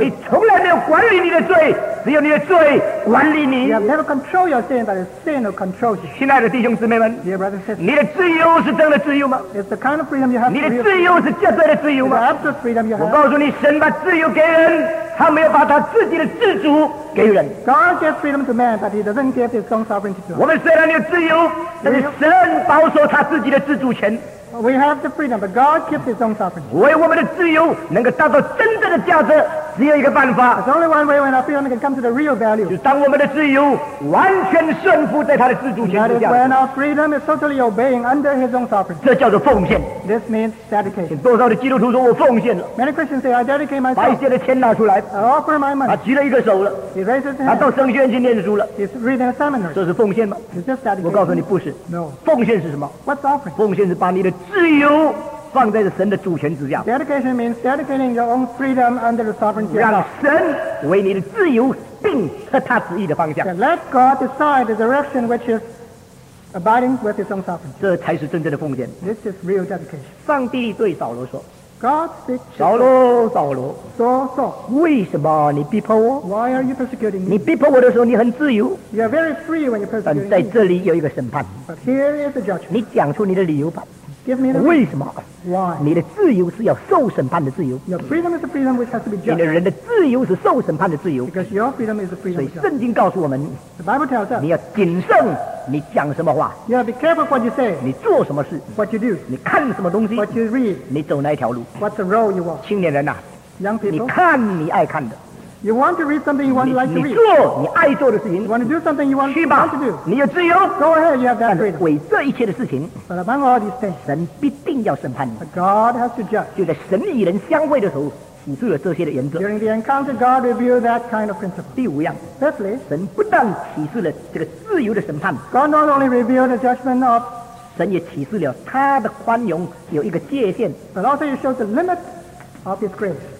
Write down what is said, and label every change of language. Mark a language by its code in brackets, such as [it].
[zh] 你从来没有管理你的罪，只有你的罪管理你。 [en] You have never controlled your sin, but it's sin who controls you. [zh] 亲爱的弟兄姊妹们， [en] dear brothers and sisters, [zh] 你的自由是真的自由吗？ [en] It's the kind of freedom you have. [zh] 你的自由是绝对的自由吗？ [en] It's the absolute freedom you have. [zh] 我告诉你，神把自由给人，他没有把他自己的自主给人。 [en] God gives freedom to man, but he doesn't give his own sovereignty to us. [zh] 我们虽然有自由，但是神保守他自己的自主权。 [en] We have the freedom, but God keeps His own sovereignty. [zh] 为我们的自由能够达到真正的价值，只有一个办法。 [en] There's only one way when our freedom can come to the real value. [zh] 就当我们的自由完全顺服在他的自主权之下。 [en] That is when our freedom is totally obeying under His own sovereignty. [zh] 这叫做奉献。 [en] This means dedication. [zh] 多少的基督徒说我奉献了。 [en] Many Christians say I dedicate myself. [zh] 把一些的钱拿出来。 [en] I offer my money. [zh] 他举了一个手了。 [en] He raises his hand. [zh] 他到神学院去念书了。 [en] He's reading a seminary. [zh] 这是奉献吗？ [en] It's just dedication. [zh] 我告诉你不是。 [en] No. [zh] 奉献是什么？ [en] What's offering? [zh] 奉献是把你的自由放在神的主权之下。 [en] Dedication means dedicating your own freedom under the sovereignty of God. [zh] 让神为你的自由定和他旨意的方向。 [en] Let God decide the direction which is abiding with His own sovereignty. [zh] 这才是真正的奉献。 [en] This is real dedication. [zh] 上帝对扫罗说， [en] God speaks to Saul. [zh] 扫罗，扫罗， [en] Saul, [zh] 为什么你逼迫我？ [en] Why are you persecuting me? [zh] 你逼迫我的时候你很自由。 [en] You are very free when you persecute me. [zh] 但在这里有一个审判。 [en] But here is the judgment. [zh] 你讲出你的理由吧。 [en] Give me the [zh] 为什么？ [en] Why? [zh] 你的自由是要受审判的自由。 [en] Your freedom is the freedom which has to be judged. [zh] 你的人的自由是受审判的自由。 [en] Because your freedom is the freedom. [zh] 所以圣经告诉我们， [en] The Bible tells us. [zh] 你要谨慎你讲什么话。 [en] You have to be careful what you say. [zh] 你做什么事。 [en] What you do. [zh] 你看什么东西。 [en] What you read. [zh] 你走哪一条路。 [en] What the road you walk. [zh] 青年人呐、啊， [en] Young people. [zh] 你看你爱看的。 [en] You want to read something you want to like to read. [zh] 你做你爱做的事情。 [en] You want to do something you want to want to do. [zh] 你有自由。 [en] Go ahead, you have that freedom. [zh] 为这一切的事情， [en] But among all these things, [zh] 神必定要审判你。 [en] But God has to judge. [zh] 就在神与人相会的时候，辅助了这些的原则。 [en] During the encounter, God revealed that kind of principle. [zh] 第五样。 [en] Firstly, [zh] 神不但启示了这个自由的审判。 [en] God not only revealed the judgment of. [zh] 神也启示了他的宽容有一个界限。 [en] But also, He showed the limit of His grace.